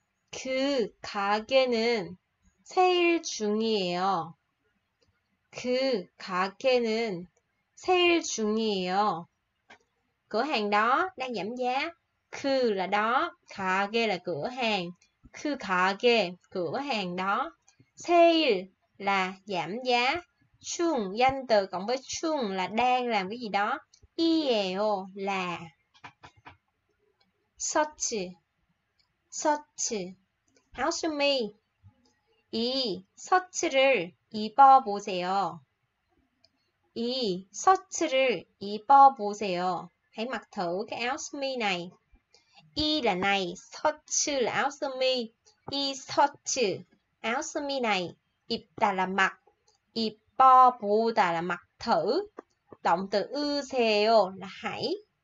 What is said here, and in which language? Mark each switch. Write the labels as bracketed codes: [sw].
[ko] 그 가게는 세일 중이에요. 그 가게는 세일 중이에요. [vi] Cửa hàng đó đang giảm giá. 그 là đó, 가게 là cửa hàng. 그 가게, cửa hàng đó. Sale là giảm giá. 중, danh từ cộng với 중 là đang làm cái gì đó. [ko] 이에요 là. 서치, 서치. 하우스메이, 이 셔츠를 입어보세요. 이 셔츠를 입어보세요. [vi] Hãy mặc thử cái áo sơ mi này. 이 là này, 셔츠 là áo sơ mi. 이 셔츠, áo sơ mi này. 입다 là mặc, 입어보다 là mặc thử. Động từ 으세요 là hãy.